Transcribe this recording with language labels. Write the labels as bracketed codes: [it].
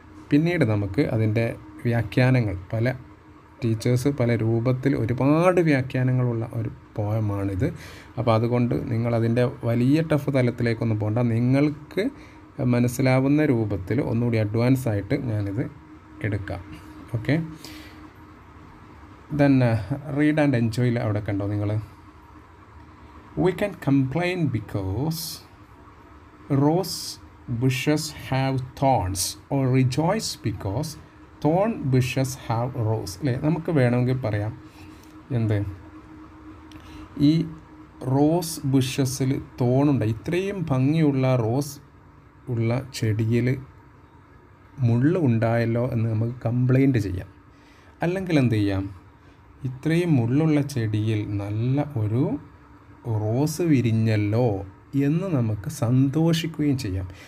[ml] പിന്നീട് നമുക്ക് അതിൻ്റെ വ്യാഖ്യാനങ്ങൾ, പല ടീച്ചേഴ്സ് പല രൂപത്തിൽ ഒരുപാട് വ്യാഖ്യാനങ്ങളുള്ള ഒരു പോയമാണിത്. അപ്പോൾ അതുകൊണ്ട് നിങ്ങളതിൻ്റെ വലിയ ടഫ് തലത്തിലേക്കൊന്നും പോകണ്ട, നിങ്ങൾക്ക് മനസ്സിലാവുന്ന രൂപത്തിൽ ഒന്നുകൂടി അഡ്വാൻസ് ആയിട്ട് ഞാനിത് എടുക്കാം. ഓക്കെ, ദെൻ റീഡ് ആൻഡ് എൻജോയിൽ അവിടെ കണ്ടോ നിങ്ങൾ. [en] We can complain because rose bushes have thorns, or rejoice because thorn bushes have rose. [ml] അല്ലേ, നമുക്ക് വേണമെങ്കിൽ പറയാം എന്ത്, ഈ റോസ് ബുഷസിൽ തോണുണ്ട്, ഇത്രയും ഭംഗിയുള്ള റോസ് ഉള്ള ചെടിയിൽ മുള്ള് ഉണ്ടായല്ലോ എന്ന് നമുക്ക് കംപ്ലയിൻറ്റ് ചെയ്യാം. അല്ലെങ്കിൽ എന്ത് ചെയ്യാം, ഇത്രയും മുള്ളുള്ള ചെടിയിൽ നല്ല ഒരു റോസ് വിരിഞ്ഞല്ലോ എന്ന് നമുക്ക് സന്തോഷിക്കുകയും ചെയ്യാം.